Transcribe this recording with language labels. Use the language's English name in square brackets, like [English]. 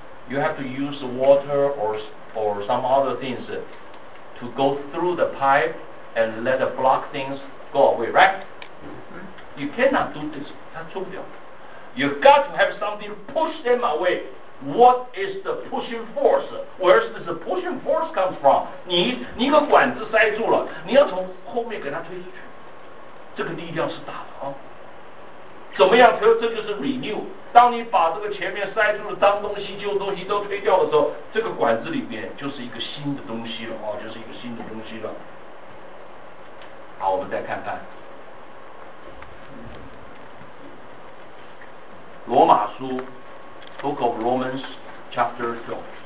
[English] You have to use water or some other things to go through the pipe. And let the block things go away, right? You cannot do this. [Chinese] 它做不了。 [English] You got to have something push them away. What is the pushing force? Where does the pushing force come from? [Chinese] 你一个管子塞住了，你要从后面给它推出去。这个力量是大的啊。怎么样？这就是 renew。当你把这个前面塞住的脏东西、旧东西都推掉的时候，这个管子里面就是一个新的东西了啊，就是一个新的东西了。好，我们再看看罗马书 Book of Romans Chapter 9